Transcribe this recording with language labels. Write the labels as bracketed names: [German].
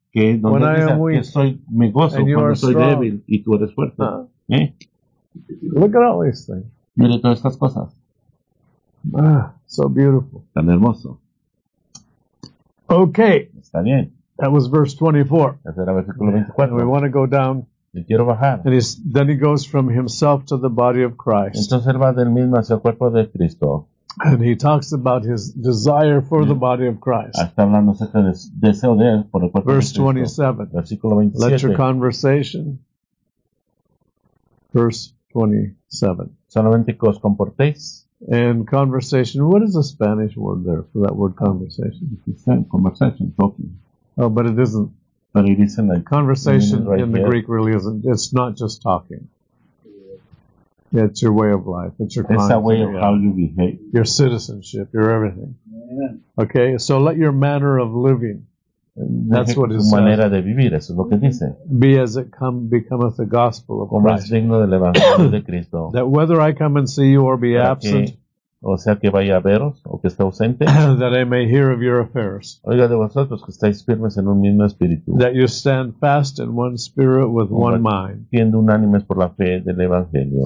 [Spanish] Que donde dice que soy me gozo cuando soy débil y tú eres fuerte. [English] Look at all these things. [Spanish] Mire todas estas cosas. [English] Ah, so beautiful. [Spanish] Tan hermoso. [English] Okay. [Spanish] Está bien. [English] That was verse 24. [Spanish] Ese era versículo 24. [English] We want to go down. [Spanish] Me quiero bajar. [English] And then he goes from himself to the body of Christ. [Spanish] Entonces él va del mismo hacia el cuerpo de Cristo. [English] And he talks about his desire for the body of Christ. [Spanish] Está hablando acerca del deseo de él por el cuerpo. [English] Verse 27. [Spanish] Versículo 27. [English] Let your conversation. Verse [Spanish] 27. Solamente que os comportéis. [English] And conversation. What is the Spanish word there for that word conversation? Conversation, talking. Oh, but it isn't. But it is in the conversation right in the Greek really isn't. It's not just talking. It's your way of life. It's your conduct. It's a way of how you behave. Your citizenship. Your everything. Okay? So let your manner of living. That's what it says. [Spanish] De vivir, eso es lo que dice. [English] Be as it come, becometh the gospel of [Spanish] como [English] Christ. [Spanish] Es digno del evangelio de Cristo. [English] That whether I come and see you or be absent. [Spanish] O sea que vaya a veros o que esté ausente. [English] That I may hear of your affairs. [Spanish] Oiga de vosotros que estáis firmes en un mismo espíritu. [English] That you stand fast in one spirit with [Spanish] como [English] one mind. [Spanish] Siendo unánimes por la fe del evangelio.